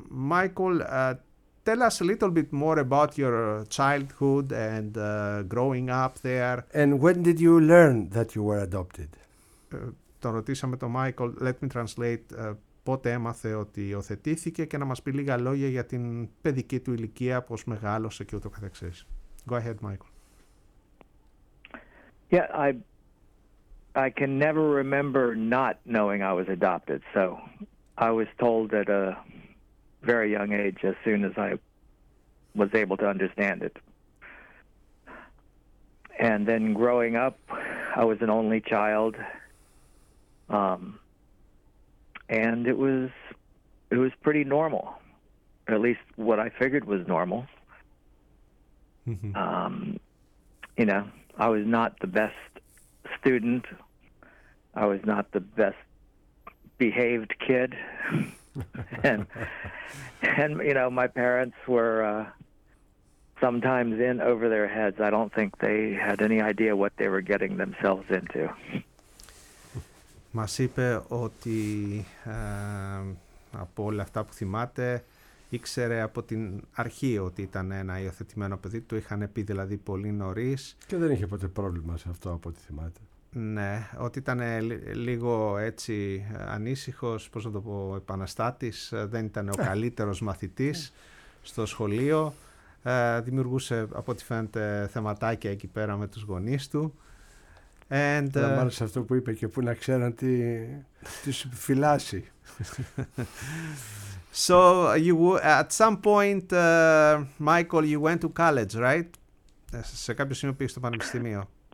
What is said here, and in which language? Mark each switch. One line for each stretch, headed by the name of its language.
English: Michael, tell us a little bit more about your childhood and growing up there. And when did you learn that you were adopted?
Greek: Τον ρωτήσαμε τον Michael,
English: let me translate,
Greek: πότε έμαθε ότι υιοθετήθηκε και να μας πει λίγα λόγια για την παιδική του ηλικία, πώς μεγάλωσε και ούτω καθεξής.
English: Go ahead, Michael. Yeah, I can never remember not knowing I was adopted. So I was told that very young age, as soon as I was able to understand it. And then growing up, I was an only child. And it was pretty normal, or at least what I figured was normal. I was not the best student. I was not the best behaved kid. and you know, my parents were sometimes in over their heads. I don't think they had any idea what they were getting themselves into.
Greek: Μας είπε ότι από όλα αυτά που θυμάται, ήξερε από την αρχή ότι ήταν ένα υιοθετημένο παιδί. Το είχαν πει δηλαδή πολύ νωρίς. Και δεν είχε ποτέ πρόβλημα σε αυτό από ό,τι θυμάται. Ναι, ότι ήταν λίγο έτσι ανήσυχος, πώς να το πω, επαναστάτης. Δεν ήταν ο καλύτερος μαθητής στο σχολείο. Δημιουργούσε από ό,τι φαίνεται θεματάκια εκεί πέρα με τους γονείς του. Μάλιστα αυτό που είπε και που να ξέραν τι φυλάσσει.
English: So you at some point, Michael, you went to college, right?
Greek: Σε κάποιο σημείο πήγες στο πανεπιστήμιο.